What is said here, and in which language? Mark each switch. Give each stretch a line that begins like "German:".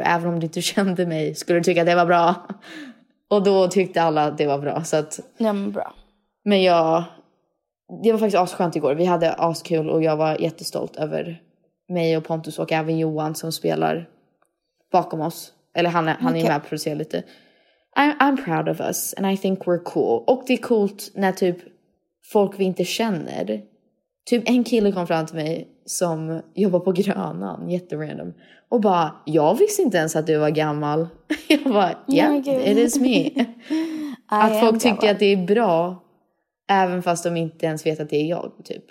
Swedish: Även om du inte kände mig, skulle du tycka att det var bra? Och då tyckte alla att det var bra. Så att, ja, men bra. Men jag, det var faktiskt asskönt igår. Vi hade askul och jag var jättestolt över mig och Pontus och även Johan som spelar bakom oss. Eller han är med och producerar lite.
English: I'm proud of us and I think we're cool.
Swedish: Och det är coolt när typ folk vi inte känner. Typ en kille kom fram till mig som jobbar på Grönan, jätterandom. Och bara, jag visste inte ens att du var gammal. Jag bara,
English: yeah, oh it is me.
Swedish: Att folk tycker att det är bra. Även fast de inte ens vet att det är jag, typ.